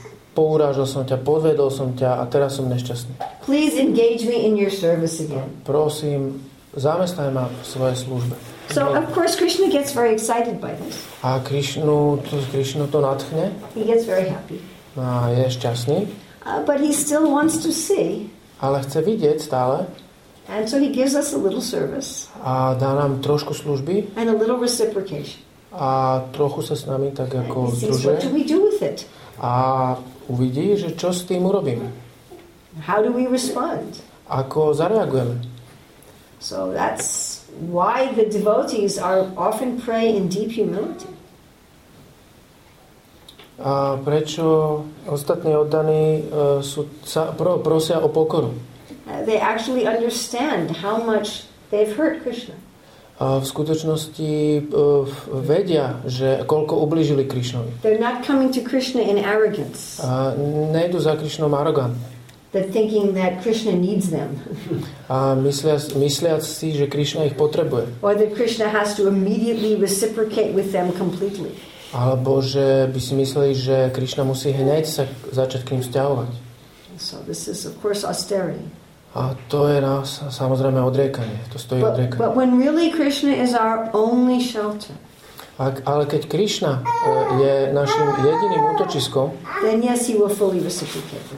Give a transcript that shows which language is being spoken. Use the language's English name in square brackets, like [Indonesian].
[Slovak] Pourážil som ťa, podvedol som ťa a teraz som nešťastný. [English] Please engage me in your service again. [Slovak] Prosím, zamestnaj ma v svojej službe. [English] So of course Krishna gets very excited by this. [Slovak] A Krishnu to nadchne. [English] He gets very happy. [Slovak] A je šťastný. [English] But he still wants to see. [Slovak] Ale chce vidieť stále. [English] And so he gives us a little service. [Slovak] A dá nám trošku služby. [English] And a little reciprocation. [Slovak] A trochu sa s nami tak ako družuje. [English] What do we do with it? [Slovak] A uvidí, že čo s tým urobím. [English] How do we respond? [Slovak] Ako zareagujeme? [English] So that's why the devotees are often pray in deep humility. [Slovak] A prečo ostatní oddaní prosia o pokoru? [English] They actually understand how much they've hurt Krishna. [Slovak] V skutočnosti vedia, že koľko ublížili Krišnovi. [English] They're not coming to Krishna in arrogance. [Slovak] Nejdu za Krišnom arogant. [English] They're thinking that Krishna needs them. [Slovak] A myslia si, že Krišna ich potrebuje. [English] Or that Krishna has to immediately reciprocate with them completely. [Slovak] Alebo že by si mysleli, že Krišna musí hneď sa začať k ním vzťahovať. [English] So this is of course austerity. [Slovak] A to je nás samozrejme odriekanie. To stojí odriekanie. [English] But when really Krishna is our only shelter. [Slovak] Ale keď Krishna je našim jediným útočiskom. [English] Then yes, he will fully reciprocate.